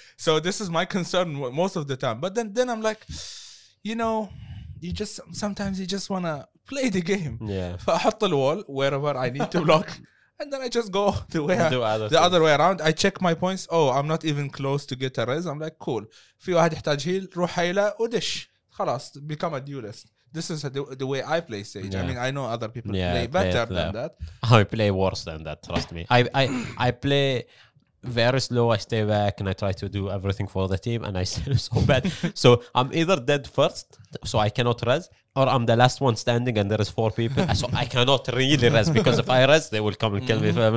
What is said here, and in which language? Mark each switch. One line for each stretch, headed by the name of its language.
English: So this is my concern most of the time. But then I'm like, you know, you just sometimes you just wanna play the game. Yeah. فأحط the wall wherever I need to block. And then I just go the other way around. I check my points. Oh, I'm not even close to get a res. I'm like, cool.
Arabic: في واحد يحتاج هيل, روح هيله ودش.
English: خلاص, become a duelist. This is the way I play Sage. Yeah. I mean, I know other people play better than that. I play worse than that, trust me. I play very slow. I stay back and I try to do everything for the team and I still so bad. So I'm either dead first, so I cannot res, or I'm the last one standing and there is four people, so I cannot really res because if I res, they will come and kill me. Mm-hmm.